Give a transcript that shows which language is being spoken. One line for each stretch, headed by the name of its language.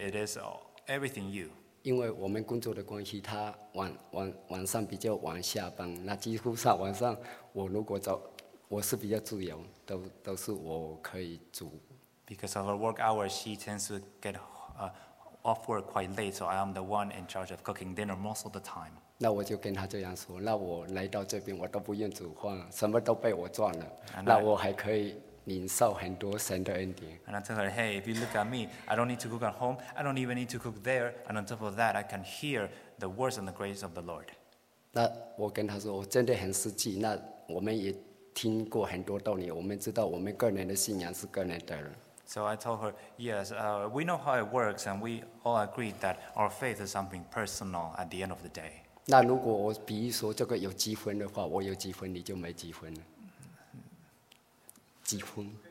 English: It is everything you.
Chinese: 因为我们工作的关系，他晚上比较晚下班。那几乎上晚上，我如果早，我是比较自由，都是我可以煮。
English: Because of her work hours, she tends to get off work quite late. So I am the one in charge of cooking dinner most of the time.
Chinese: 那我就跟他这样说，那我来到这边，我都不愿煮饭，什么都被我赚了，
English: and、
Chinese: 那我还可以领受很多神的恩典。
English: And I tell her, "Hey, if you look at me, I don't need to cook at home. I don't even need to cook there. And on top of that, I can hear the words and the grace of the Lord."
Chinese: 那我跟他说，我真的很实际。那我们也听过很多道理，我们知道我们个人的信仰是个人的。
English: So I told her, "Yes, we know how it works, and we all agreed that our faith is something personal at the end of the day."
Chinese: 那如果我比喻说这个有积分的话，我有积分，你就没积分了。积分。